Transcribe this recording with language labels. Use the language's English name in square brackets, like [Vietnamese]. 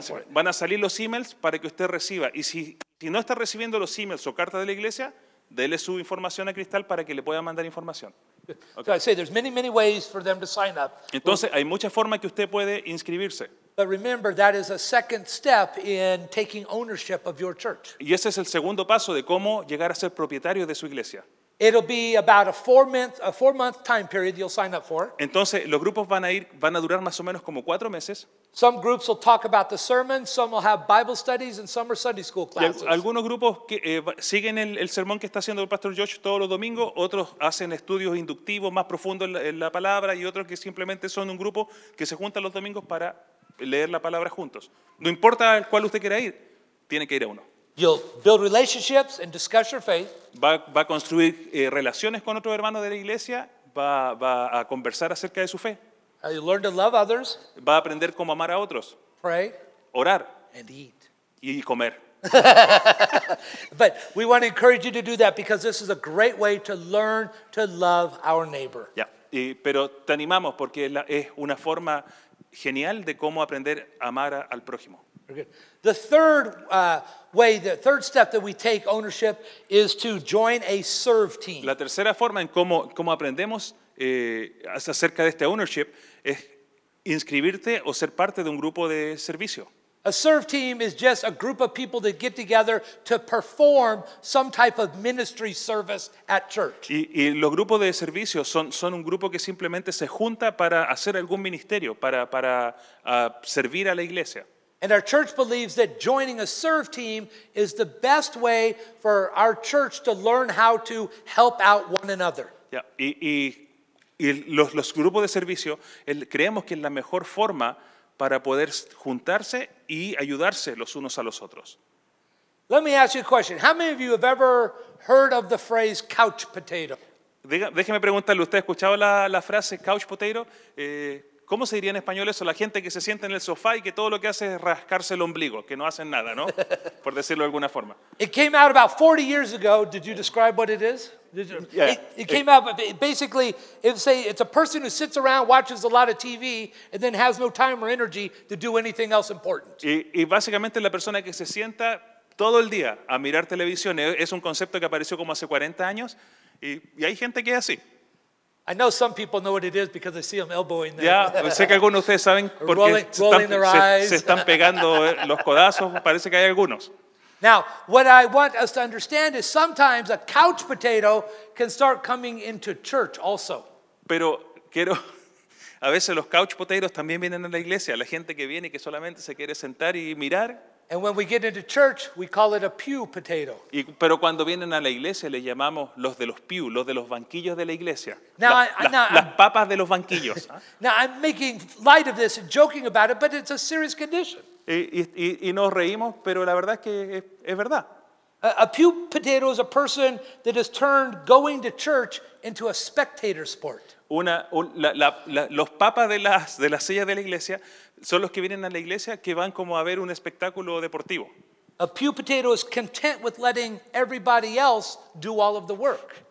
[Spanish] Van a salir los emails para que usted reciba. Y si no está recibiendo los emails o cartas de la iglesia, dele su información a Cristal para que le pueda mandar información. [English] Okay. So I say there's many ways for them to sign up. [Spanish] Entonces hay muchas formas que usted puede inscribirse. [English] But remember that is a second step in taking ownership of your church. [Spanish] Y ese es el segundo paso de cómo llegar a ser propietario de su iglesia. [English] It'll be about a four month time period you'll sign up for. [Spanish] Entonces los grupos van a durar más o menos como 4 meses. [English] Some groups will talk about the sermon, some will have Bible studies, and some are Sunday school classes. [Spanish] Algunos grupos que siguen el sermón que está haciendo el pastor Josh todos los domingos, otros hacen estudios inductivos más profundos en la palabra, y otros que simplemente son un grupo que se junta los domingos para leer la palabra juntos. No importa al cual usted quiera ir, tiene que ir a uno. [English] You'll build relationships and discuss your faith. [Spanish] Va a construir relaciones con otros hermanos de la iglesia, va a conversar acerca de su fe. [English] You learn to love others. [Spanish] Va a aprender cómo amar a otros. [English] Pray. [Spanish] Orar. [English] And eat. [Spanish] Y comer. [English] But we want to encourage you to do that because this is a great way to learn to love our neighbor. Ya. Yeah. [Spanish] Pero te animamos porque es una forma genial de cómo aprender a amar al prójimo. [English] Very good. The third way, the third step that we take ownership is to join a serve team. [Spanish] La tercera forma en cómo aprendemos acerca de este ownership es inscribirte o ser parte de un grupo de servicio. [English] A serve team is just a group of people that get together to perform some type of ministry service at church. [Spanish] Y los grupos de servicio son un grupo que simplemente se junta para hacer algún ministerio, para servir a la iglesia. [English] And our church believes that joining a serve team is the best way for our church to learn how to help out one another. Yeah. [Spanish] Y los grupos de servicio, creemos que es la mejor forma para poder juntarse y ayudarse los unos a los otros. [English] Let me ask you a question. How many of you have ever heard of the phrase couch potato? [Spanish] Déjeme preguntarle, ¿usted ha escuchado la frase couch potato? ¿Cómo se diría en español eso? La gente que se sienta en el sofá y que todo lo que hace es rascarse el ombligo, que no hacen nada, ¿no? Por decirlo de alguna forma. [English] It came out about 40 years ago. Did you describe what it is? Yeah. It came out basically, it's a person who sits around, watches a lot of TV, and then has no time or energy to do anything else important. [Spanish] Y básicamente la persona que se sienta todo el día a mirar televisión es un concepto que apareció como hace 40 años, y hay gente que es así. [English] I know some people know what it is because I see them elbowing there. [Spanish] Ya, sé que algunos de ustedes saben porque se están pegando los codazos, parece que hay algunos. [English] Now, what I want us to understand is sometimes a couch potato can start coming into church also. [Spanish] Pero quiero, a veces los couch potatoes también vienen a la iglesia, la gente que viene y que solamente se quiere sentar y mirar. [English] And when we get into church, we call it a pew potato. [Spanish] Pero cuando vienen a la iglesia, les llamamos los de los pew, los de los banquillos de la iglesia. Las papas de los banquillos. [English] Now, I'm making light of this and joking about it, but it's a serious condition. [Spanish] Y nos reímos, pero la verdad es que es verdad. [English] A pew potato is a person that has turned going to church into a spectator sport. [Spanish] Los papas de las sillas de la iglesia son los que vienen a la iglesia que van como a ver un espectáculo deportivo. [English] A pew potato is content with letting everybody else do all of the work.